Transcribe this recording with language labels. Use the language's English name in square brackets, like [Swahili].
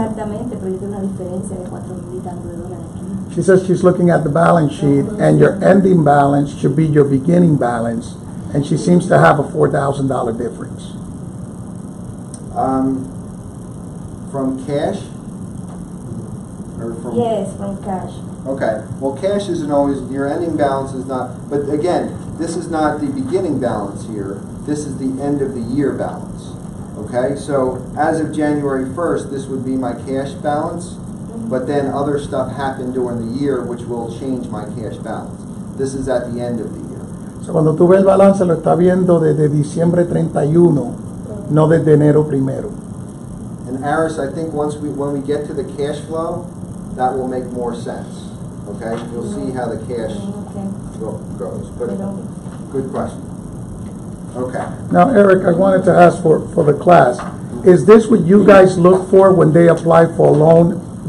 [Spanish] Exactamente, pero yo tengo una diferencia de 4,000 y tanto de dólares. [English] She says she's looking at the balance sheet, and your ending balance should be your beginning balance, and she seems to have a $4,000 difference. From cash? Yes, from cash. Okay. Well, cash isn't always, your ending balance is not, but again, this is not the beginning balance here. This is the end of the year balance. Okay? So as of January 1st, this would be my cash balance. But then other stuff happened during the year which will change my cash balance. This is at the end of the year. [Spanish] So cuando tú ves el balance, lo está viendo desde diciembre 31, no desde enero primero. [English] And Aris, I think once when we get to the cash flow, that will make more sense. Okay? You'll see how the cash goes. But good question. Okay. Now, Eric, I wanted to ask for the class. Is this what you guys look for when they apply for a loan?